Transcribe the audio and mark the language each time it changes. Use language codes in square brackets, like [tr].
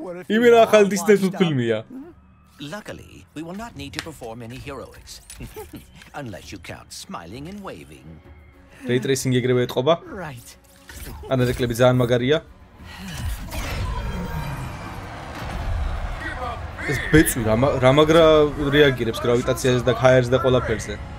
[ka] იმერა ახალ დისნეის ფილმია. [en] Luckily, we will not need to perform any heroics unless you count smiling and waving. [ka] Ray tracing ეგრევე ეთყობა? [en] Right. [ka] ანა რეკლები ძალიან მაგარია. ეს ბეწვი რა მაგრა რეაგირებს გრავიტაციაზე და ჰაერზე და ყველაფერზე.